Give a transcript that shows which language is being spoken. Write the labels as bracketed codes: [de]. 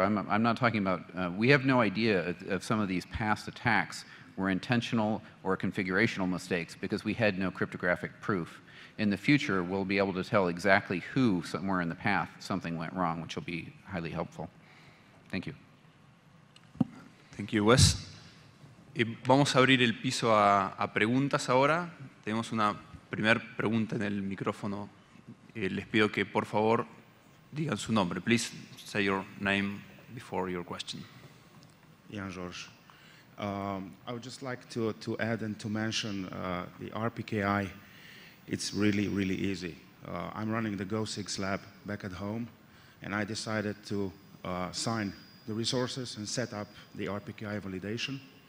[en] I'm not talking about, we have no idea of some of these past attacks were intentional or configurational mistakes because we had no cryptographic proof. In the future, we'll be able to tell exactly who somewhere in the path something went wrong, which will be highly helpful. Thank you. Thank you, Wes. [es] Y vamos a abrir el piso a preguntas ahora. Tenemos una primera pregunta en el micrófono. Les pido que, por favor, digan su nombre. [en] Please say your name before your question. Jan George. I would just like to add and to mention the RPKI. It's really, really easy. I'm running the Go6 lab back at home, and I decided to sign the resources and set up the RPKI validation.